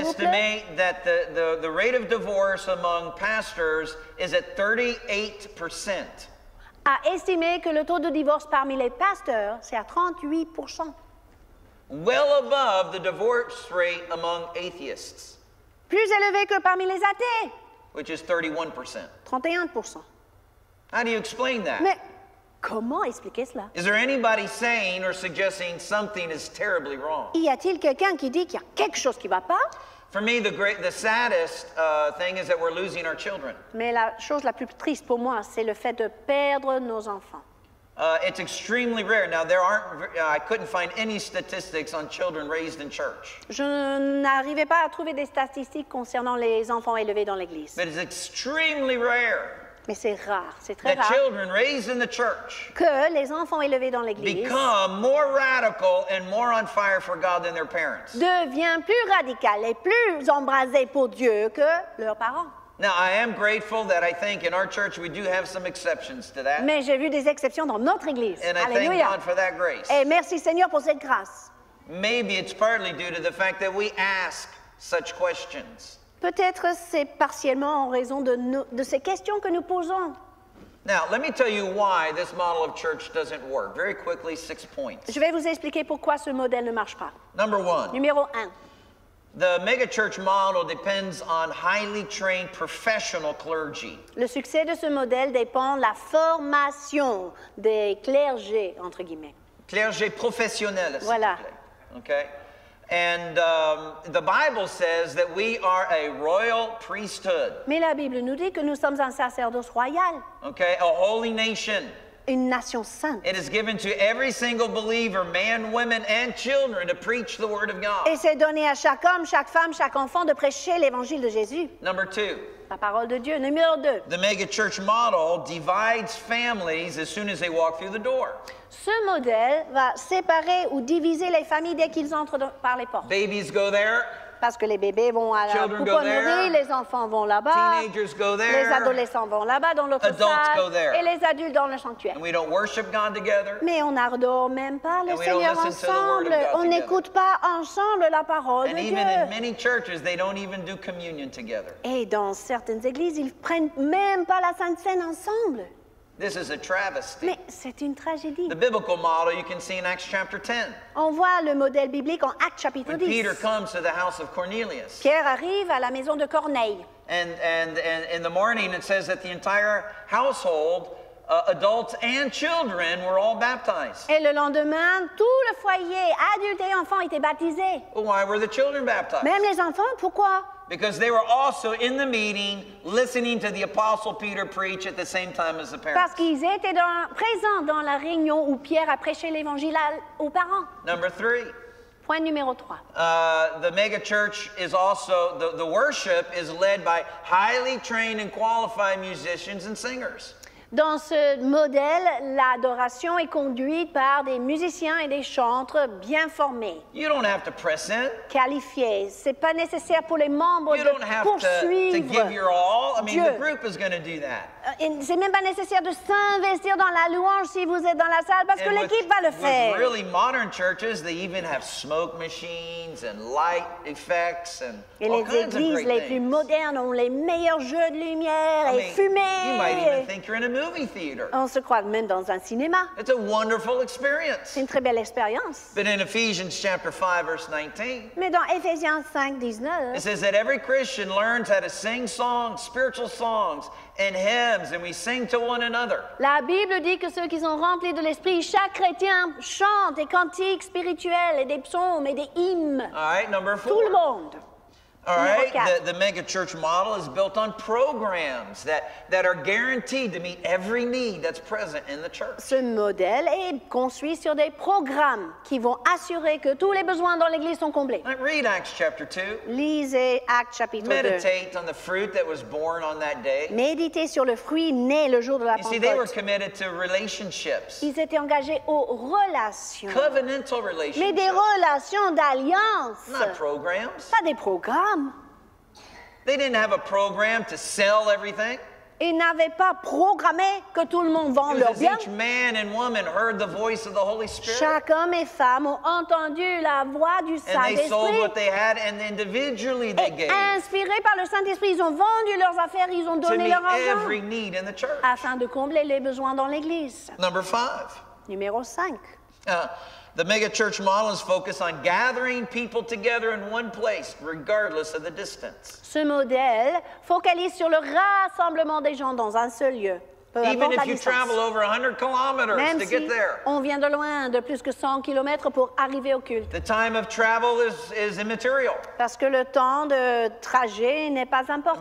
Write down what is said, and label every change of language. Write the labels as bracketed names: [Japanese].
[English] Estimate that the rate of divorce among pastors is at 38%. [French] A estimé que le taux de divorce parmi les pasteurs, c'est à 38%. [English] Well above the divorce rate among atheists. [French] Plus élevé que parmi les athées. [English] Which is 31%. [French] 31%. [English] How do you explain that? [French] Mais comment expliquer cela? [English] Is there anybody saying or suggesting something is terribly wrong? [French] Y a-t-il quelqu'un qui dit qu'il y a quelque chose qui va pas? [English] For me, the saddest thing is that we're losing our children. [French] Mais la chose la plus triste pour moi, c'est le fait de perdre nos enfants. [English] It's extremely rare. Now, I couldn't find any statistics on children raised in church. [French] Je n'arrivais pas à trouver des statistiques concernant les enfants élevés dans l'église. [English] But it's extremely rare. [French] Mais c'est rare, c'est très [English] that That children raised in the church. [French] Que les enfants élevés dans l'église. [English] Become more radical and more on fire for God than their parents. [French] Devient plus radical et plus embrasé pour Dieu que leurs parents. [English] Now, I am grateful that I think in our church we do have some exceptions to that. [French] Mais j'ai vu des exceptions dans notre église. [English] And Alleluia. I thank God for that grace. [French] Et merci Seigneur pour cette grâce. [English] Maybe it's partly due to the fact that we ask such questions. [French] Peut-être c'est partiellement en raison de ces questions que nous posons. [English] Now, let me tell you why this model of church doesn't work. Very quickly, 6 points. [French] Je vais vous expliquer pourquoi ce modèle ne marche pas. [English] Number one. [French] Numéro un. [English] The megachurch model depends on highly trained professional clergy. [French] Le succès de ce modèle dépend de la formation des clergés, entre guillemets. Clergés professionnels, voilà. S'il vous plaît. Okay. [English] And the Bible says that we are a royal priesthood. [French] Mais la Bible nous dit que nous sommes un sacerdoce royal. [English] Okay, a holy nation. [French] Une nation sainte. [English] It is given to every single believer, man, women, and children, to preach the word of God. [French] Et c'est donné à chaque homme, chaque femme, chaque enfant de prêcher l'évangile de Jésus. [English] Number two. [French] La parole de Dieu. Numéro deux. [English] The mega church model divides families as soon as they walk through the door. [French] Ce modèle va séparer ou diviser les familles dès qu'ils entrent par les portes. [English] Babies go there. [French] Parce que les bébés vont à la pouponnerie, les enfants vont là-bas, les adolescents vont là-bas dans l'autre salle, et les adultes dans le sanctuaire. [English] And we don't worship God together. [French] Mais on n'adore même pas le Seigneur ensemble, on n'écoute pas ensemble la parole [English] and [French] Dieu. [English] In many churches, they don't even do communion together. [French] Et dans certaines églises, ils ne prennent même pas la Sainte Cène ensemble. [English] This is a travesty. [French] Mais c'est une tragédie. [English] The biblical model you can see in Acts chapter 10. [French] On voit le modèle biblique en Actes chapitre 10. [English] When Peter comes to the house of Cornelius. [French] Pierre arrive à la maison de Corneille. [English] And in the morning it says that the entire household Adults and children were all baptized. [French] Et le lendemain, tout le foyer, adultes et enfants, étaient baptisés. [English] Why were the children baptized? [French] Même les enfants, pourquoi? [English] Because they were also in the meeting, listening to the Apostle Peter preach at the same time as the parents. [French] Parce qu'ils étaient présents dans la réunion où Pierre a prêché l'évangile aux parents. [English] Number three. [French] Point numéro 3. [English] The mega church is also, the worship is led by highly trained and qualified musicians and singers. [French] Dans ce modèle, l'adoration est conduite par des musiciens et des chanteurs bien formés. [English] You don't have to press in. [French] Qualifiés. Ce n'est pas nécessaire pour les membres [English] you [French] de [English] don't have [French] poursuivre [English] to give your all. I mean, [French] Dieu. [English] The group is going to do that. [French] Ce n'est même pas nécessaire de s'investir dans la louange si vous êtes dans la salle parce [English] and [French] que l'équipe va le faire. [English] With really modern churches, they even have smoke machines and light effects and [French] et [English] all kinds [French] églises, [English] of great things. [French] Et les églises les plus modernes ont les meilleurs jeux de lumière [English] I [French] et fumée. [English] You might even think you're in a movie theater. [French] On se croit même dans un cinéma. [English] It's a wonderful experience. [French] C'est une très belle expérience. [English] But in Ephesians chapter 5 verse 19. [French] Mais dans Ephésiens 5 19. [English] It says that every Christian learns how to sing songs, spiritual songs and hymns and we sing to one another. [French] La Bible dit que ceux qui sont remplis de l'esprit, chaque chrétien chante des cantiques spirituels et des psaumes et des hymnes. [English] All right, number 4. [French] Tout le monde. [English] All right, the mega church model is built on programs that are guaranteed to meet every need that's present in the church. [French] Ce modèle est construit sur des programmes qui vont assurer que tous les besoins dans l'église sont comblés. [English] Read Acts chapter 2. [French] Lisez Acts chapitre 2. [English] Meditate on the fruit that was born on that day. [French] Méditez sur le fruit né le jour de la Pentecôte. [English] You see, they were committed to relationships. [French] Ils étaient engagés aux relations. [English] Covenantal relationships. [French] Mais des relations d'alliance. [English] Not programs. [French] Pas des programmes. [English] They didn't have a program to sell everything. [French] Ils n'avaient pas programmé que tout le monde vende leurs biens. [English] Each man and woman heard the voice of the Holy Spirit. [French] Chaque homme et femme ont entendu la voix du Saint-Esprit. [English] And they sold what they had and individually they gave. [French] Inspirés par le Saint-Esprit, ils ont vendu leurs affaires, ils ont donné leur argent. [English] To meet every need in the church. [French] Afin de combler les besoins dans l'église. [English] Number 5. [French] Numéro 5. [English] The mega church model is focused on gathering people together in one place, regardless of the distance. [French] Ce modèle focalise sur le rassemblement des gens dans un seul lieu. [English] Even if you travel over 100 kilometers [French] Même [English] to [French] si [English] get there. [French] On vient de loin, de plus que 100 kilomètres pour arriver au culte. [English] The time of travel is immaterial. [French] Parce que le temps de trajet n'est pas important.